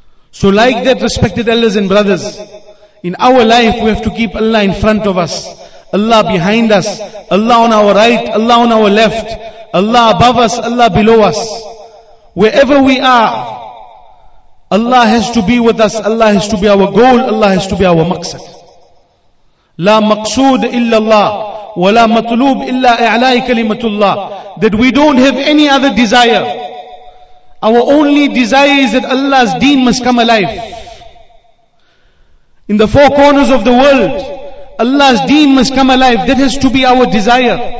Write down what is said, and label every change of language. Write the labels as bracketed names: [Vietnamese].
[English] So like that, respected elders and brothers, in our life we have to keep Allah in front of us, Allah behind us, Allah on our right, Allah on our left, Allah above us, Allah below us. Wherever we are, Allah has to be with us, Allah has to be our goal, Allah has to be our maqsad. [Arabic] لا مقصود إلا الله ولا مطلوب إلا إعلاء كلمة الله. [English] That we don't have any other desire. Our only desire is that Allah's deen must come alive. In the four corners of the world, Allah's deen must come alive. That has to be our desire.